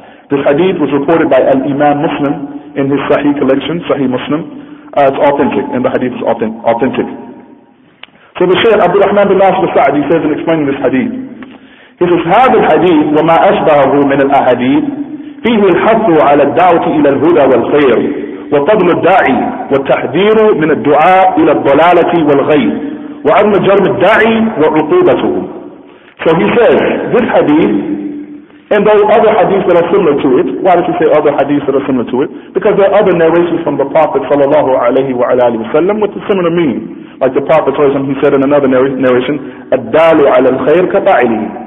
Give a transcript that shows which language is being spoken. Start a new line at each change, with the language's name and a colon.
English: This hadith was reported by Al-Imam Muslim in his Sahih collection, Sahih Muslim. It's authentic, and the hadith is authentic. So the Shaykh Abdur-Rahmaan bin Naasir As-Sa'dee says in explaining this hadith, he says,
Arabic: هذا الحديث وما أشبهه من الأحاديث فيه الحث على الدعوة إلى الهدى والخير وفضل الداعي والتحذير من الدعاء إلى الضلالة والغي وأن جرم الداعي وعقوبته.
English: So he says, this hadith, and there are other hadiths that are similar to it. Why does he say other hadiths that are similar to it? Because there are other narrations from the Prophet sallallahu alayhi wa alayhi wa sallam with a similar meaning. Like the Prophet tells him, he said in another narration,
Arabic: الدالو على الخير كطعلي.